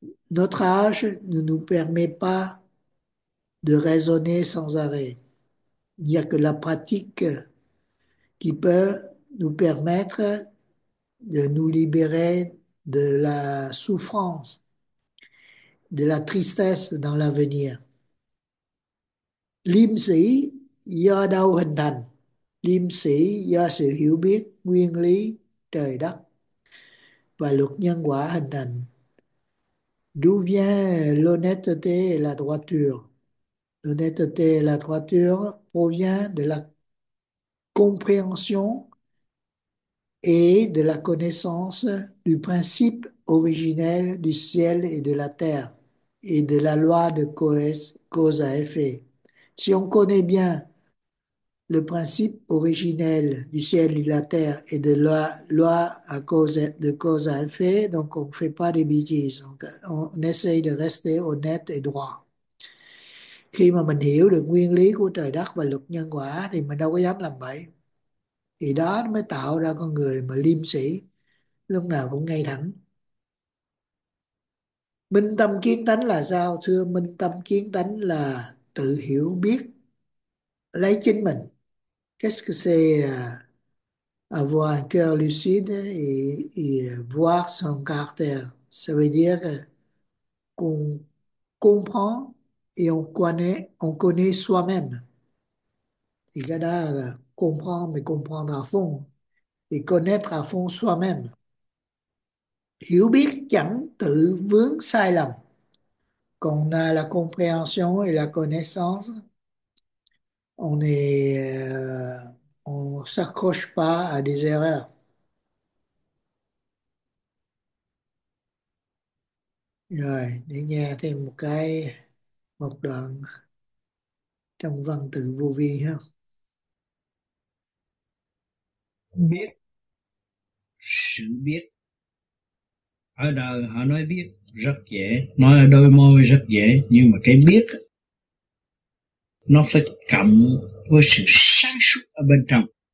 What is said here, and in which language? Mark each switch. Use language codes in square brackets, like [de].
[fr] Notre âge ne nous permet pas de raisonner sans arrêt. Il n'y a que la pratique qui peut nous permettre de nous libérer de la souffrance, de la tristesse dans l'avenir. [vi] Liêm sĩ do đâu hình thành? Liêm sĩ do sự hiểu biết nguyên lý trời đất và luật nhân quả hình thành. [fr] D'où vient l'honnêteté et la droiture? L'honnêteté et la droiture provient de la compréhension et de la connaissance du principe originel du ciel et de la terre et de la loi de cause à effet. Si on connaît bien le principe originel du ciel et de la terre et de la loi à cause à effet, donc on ne fait pas des bêtises, on essaye de rester honnête et droit. [vi] Khi mà mình hiểu được nguyên lý của trời đất và luật nhân quả thì mình đâu có dám làm bậy. Thì đó mới tạo ra con người mà liêm sĩ, lúc nào cũng ngay thẳng. Minh tâm kiến tánh là sao? Thưa, minh tâm kiến tánh là tự hiểu biết lấy chính mình. [fr] Qu'est-ce que c'est avoir un cœur lucide et voir son caractère? Ça veut dire qu'on comprend et on connaît soi-même. Il y en a comprendre et comprendre à fond et connaître à fond soi-même. [vi] Hiểu biết chẳng tự vướng sai lầm. [fr] Qu'on a la compréhension et la connaissance, on s'accroche pas à des erreurs. [vi] Rồi, để nghe thêm một đoạn trong văn tự vô vi ha. Biết sự biết ở đời họ nói biết rất dễ, nói ở đôi môi rất dễ, nhưng mà cái biết nó phải cộng với sự sáng suốt ở bên trong.